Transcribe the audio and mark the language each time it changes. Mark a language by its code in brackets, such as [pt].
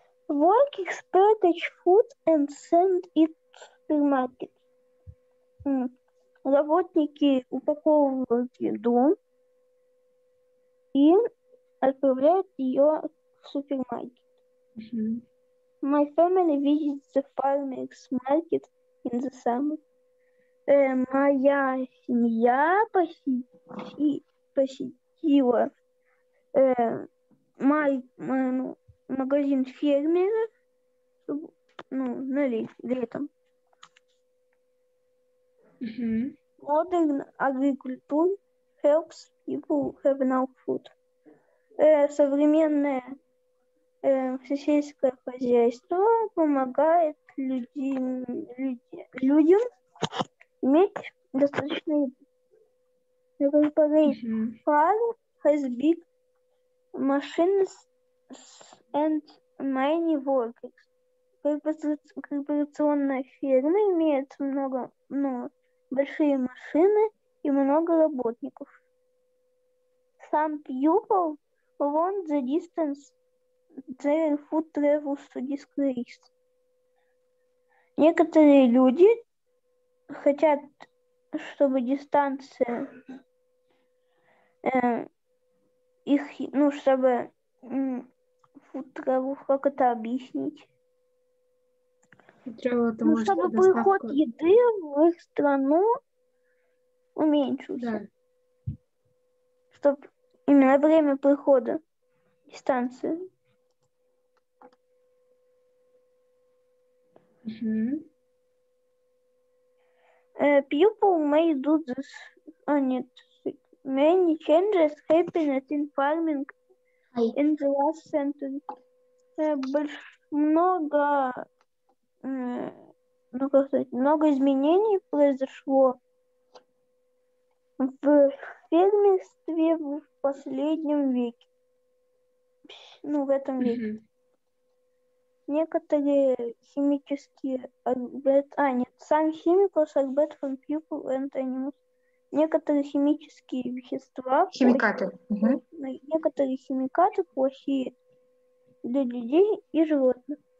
[en] Work package food and send it to supermarket. [ru] Работники упаковывают еду и отправляют ее в супермаркет. [en] My family visits the farmers market in the summer. [ru] Моя семья посетила магазин фермера летом. [en] Modern agriculture helps people have enough food. [ru] Современное сельское хозяйство помогает людям иметь достаточно еды. [en] Farm has big machines and many workers. [ru] Корпорационная ферма имеет много, большие машины и много работников. [en] Some people want the distance their food travels to decrease. [ru] Некоторые люди хотят, чтобы дистанция чтобы [en] food travel, [ru] как это объяснить? Чтобы приход еды в их страну уменьшился. Да. Чтобы именно время прихода дистанции. [en] People may do this on it. Many changes happened in farming in the last century. [ru] Много изменений произошло в фермерстве в последнем веке. В этом веке. Некоторые химические... [en] Some chemicals are bad for people and animals. [ru] Некоторые химические вещества... Химикаты. Некоторые химикаты плохие для людей и животных.